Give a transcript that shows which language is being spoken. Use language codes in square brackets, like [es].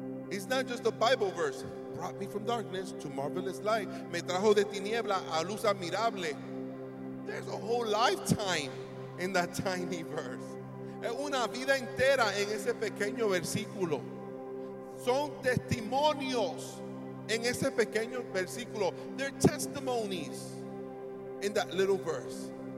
[en] It's not just a Bible verse. Brought me from darkness to marvelous light. [es] Me trajo de tiniebla a luz admirable. [en] There's a whole lifetime in that tiny verse. [es] Es una vida entera en ese pequeño versículo. Son testimonios en ese pequeño versículo. [en] They're testimonies in that little verse.